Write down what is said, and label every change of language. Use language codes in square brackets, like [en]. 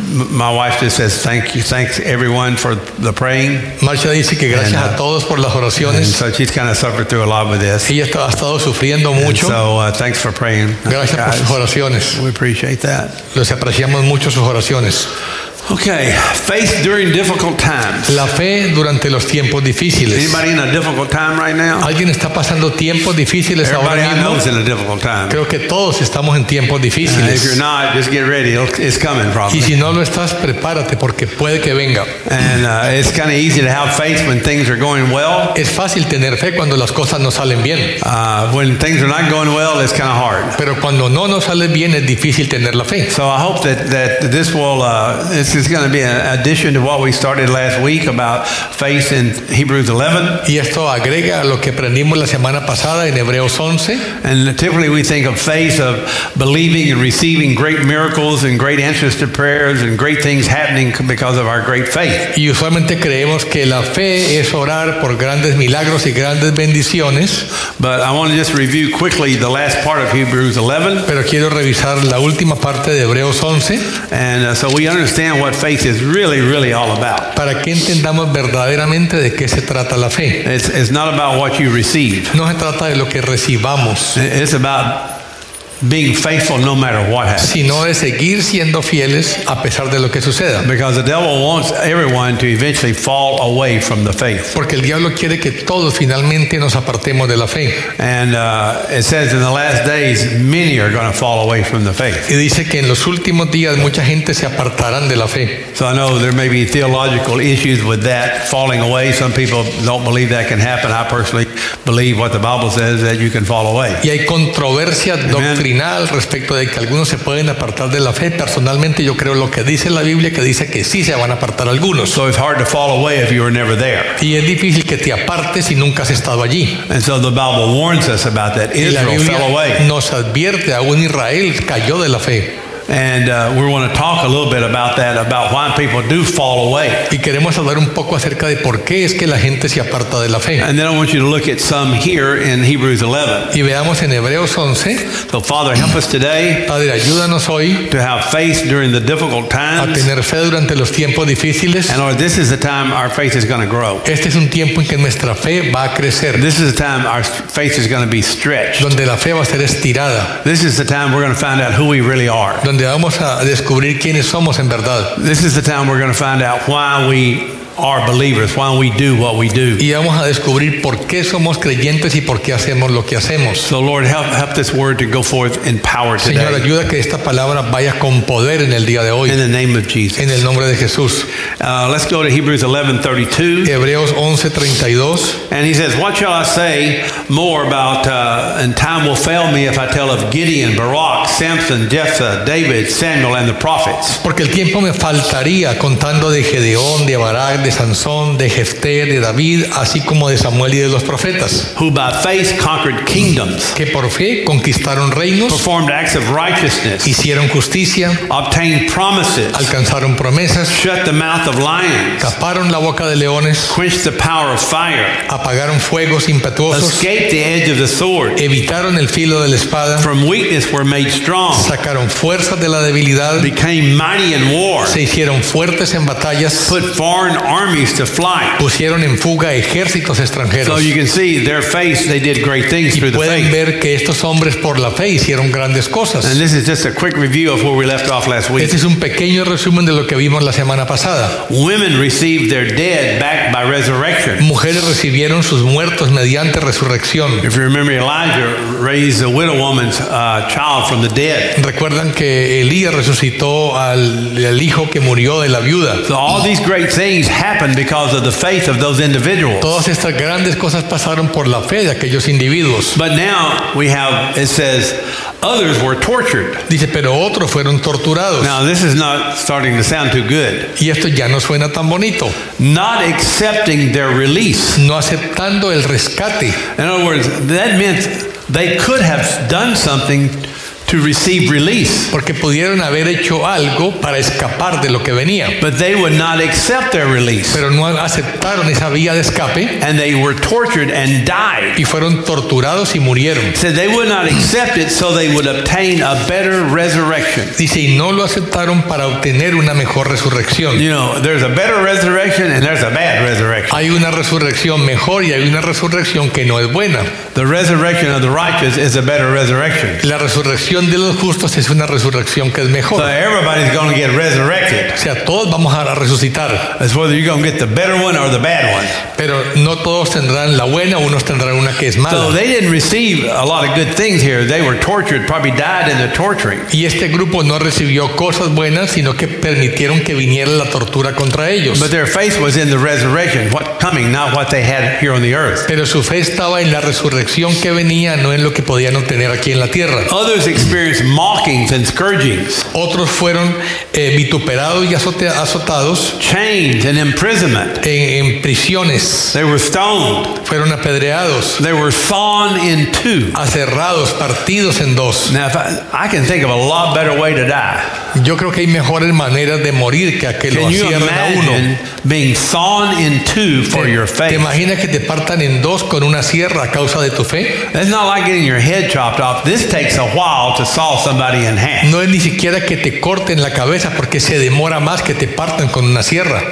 [en] My wife just says thank you, thanks everyone for the praying. [es] Marcia dice que gracias a todos por las oraciones. [en] And so she's kind of suffered through a lot with this. [es] Ella ha estado sufriendo mucho. [en] And so thanks for praying. [es] Gracias por sus oraciones. [en] We appreciate that. [es] Los apreciamos mucho sus oraciones. [en] Okay, faith during difficult times. [es] La fe durante los tiempos difíciles. [en] Anybody in a difficult time right now? [es] ¿Alguien está pasando tiempos difíciles [en] everybody [es] ahora mismo? [en] I know is in a difficult time. [es] Creo que todos estamos en tiempos difíciles. [en] If you're not, just get ready. It's coming probably. [es] Y si no lo estás, prepárate porque puede que venga. [en] And it's kind of easy to have faith when things are going well. [es] Es fácil tener fe cuando las cosas no salen bien. [en] When things are not going well, it's kind of hard. [es] Pero cuando no nos sale bien, es difícil tener la fe. [en] So I hope that this will it's going to be an addition to what we started last week about faith in Hebrews 11. [es] Y esto agrega lo que aprendimos la semana pasada en Hebreos 11. [en] And typically we think of faith of believing and receiving great miracles and great answers to prayers and great things happening because of our great faith. [es] Y usualmente creemos que la fe es orar por grandes milagros y grandes bendiciones. [en] But I want to just review quickly the last part of Hebrews 11. [es] Pero quiero revisar la última parte de Hebreos 11. [en] And so we understand what faith is really, really all about. [es] Para que entendamos verdaderamente de qué se trata la fe. [en] It's not about what you receive. [es] No se trata de lo que recibamos. [en] It's about being faithful no matter what happens. [es] Sino de seguir siendo fieles a pesar de lo que suceda. [en] Because the devil wants everyone to eventually fall away from the faith. [es] Porque el diablo quiere que todos finalmente nos apartemos de la fe. [en] And it says in the last days many are going to fall away from the faith. [es] Y dice que en los últimos días mucha gente se apartarán de la fe. [en] So I know there may be theological issues with that falling away. Some people don't believe that can happen. I personally believe what the Bible says that you can fall away. [es] Y hay controversia respecto de que algunos se pueden apartar de la fe. Personalmente yo creo lo que dice la Biblia, que dice que sí se van a apartar algunos. [en] So it's hard to fall away if you were never there. [es] Y es difícil que te apartes si nunca has estado allí. [en] And so the Bible warns us about that. [es] Y la Biblia [en] fell away. [es] Nos advierte, aún Israel cayó de la fe. [en] And we want to talk a little bit about that, about why people do fall away. [es] Y queremos hablar un poco acerca de por qué es que la gente se aparta de la fe. [en] And then I want you to look at some here in Hebrews 11. [es] Y veamos en Hebreos 11. [en] So Father, help us today. [es] Padre, ayúdanos hoy. [en] To have faith during the difficult times. [es] A tener fe durante los tiempos difíciles. [en] And Lord, this is the time our faith is going to grow. [es] Este es un tiempo en que nuestra fe va a crecer. [en] This is the time our faith is going to be stretched. [es] Donde la fe va a ser estirada. [en] This is the time we're going to find out who we really are. [es] Vamos a descubrir quiénes somos en verdad. [en] This is the time we're going to find out why we are believers, why we do what we do. [es] Y vamos a descubrir por qué somos creyentes y por qué hacemos lo que hacemos. [en] So Lord, help this word to go forth in power today. [es] Señor, ayuda que esta palabra vaya con poder en el día de hoy. [en] In the name of Jesus. [es] En el nombre de Jesús. [en] Let's go to Hebrews 11:32. [es] Hebreos 11:32. [en] And he says, what shall I say more about, and time will fail me if I tell of Gideon, Barak, Samson, Jephthah, David, Samuel, and the prophets. [es] Porque el tiempo me faltaría contando de Gedeón, de Barak, de Sansón, de Jefté, de David, así como de Samuel y de los profetas. [en] Who by faith conquered kingdoms. [es] Que por fe conquistaron reinos. [en] Performed acts of righteousness. [es] Hicieron justicia. [en] Obtained promises. [es] Alcanzaron promesas. [en] Shut the mouth of lions. [es] Taparon la boca de leones. [en] Quenched the power of fire. [es] Apagaron fuegos impetuosos. [en] Escaped the edge of the sword. [es] Evitaron el filo de la espada. [en] From weakness were made strong. [es] Sacaron fuerzas de la debilidad. [en] Became mighty in war. [es] Se hicieron fuertes en batallas. [en] Put foreign armies to flight. [es] Pusieron en fuga ejércitos extranjeros. [en] So you can see their faith, they did great things through the faith. [es] Y pueden ver que estos hombres por la fe hicieron grandes cosas. [en] And this is just a quick review of where we left off last week. [es] Este es un pequeño resumen de lo que vimos la semana pasada. [en] Women received their dead back by resurrection. [es] Mujeres recibieron sus muertos mediante resurrección. [en] If you remember, Elijah raised a widow woman's child from the dead. [es] Recuerdan que Elías resucitó al hijo que murió de la viuda. [en] So all these great things happened because of the faith of those individuals. [es] Todas estas grandes cosas pasaron por la fe de aquellos individuos. [en] But now we have, it says, others were tortured. [es] Dice, pero otros fueron torturados. [en] Now this is not starting to sound too good. [es] Y esto ya no suena tan bonito. [en] Not accepting their release. [es] No aceptando el rescate. [en] In other words, that meant they could have done something to receive release. [es] Porque pudieron haber hecho algo para escapar de lo que venía. [en] But they would not accept their release. [es] Pero no aceptaron esa vía de escape. [en] And they were tortured and died. [es] Y fueron torturados y murieron. [en] So they would not accept it so they would obtain a better resurrection. [es] Dice, y no lo aceptaron para obtener una mejor resurrección. [en] You know, there's a better resurrection and there's a bad resurrection. [es] Hay una resurrección mejor y hay una resurrección que no es buena. [en] The resurrection of the righteous is a better resurrection. [es] La resurrección de los justos es una resurrección que es mejor. [en] So everybody's going to get resurrected. [es] O sea, todos vamos a resucitar. [en] It's whether you're going to get the better one or the bad one. [es] Pero no todos tendrán la buena, unos tendrán una que es mala. [en] So they didn't receive a lot of good things here. They were tortured, probably died in the torturing. [es] Y este grupo no recibió cosas buenas, sino que permitieron que viniera la tortura contra ellos. [en] But their faith was in the resurrection, what coming, not what they had here on the earth. [es] Pero su fe estaba en la resurrección que venía, no en lo que podían obtener aquí en la tierra. [en] Others experienced mockings and scourgings. [es] Otros fueron vituperados y azotados. [en] Chains and imprisonment. [es] En prisiones. [en] They were stoned. [es] Fueron apedreados. [en] They were sawn in two. [es] Aserrados, partidos en dos. [en] Now, I can think of a lot better way to die. [es] Yo creo que hay mejores maneras de morir que aquel que lo hacían a uno. [en] Being sawn in two for your faith. [es] ¿Te imaginas que te partan en dos con una sierra a causa de tu fe? [en] It's not like getting your head chopped off. This takes a while to saw somebody in half. [es] No es ni siquiera que te corten la cabeza porque se demora más que te partan con una sierra.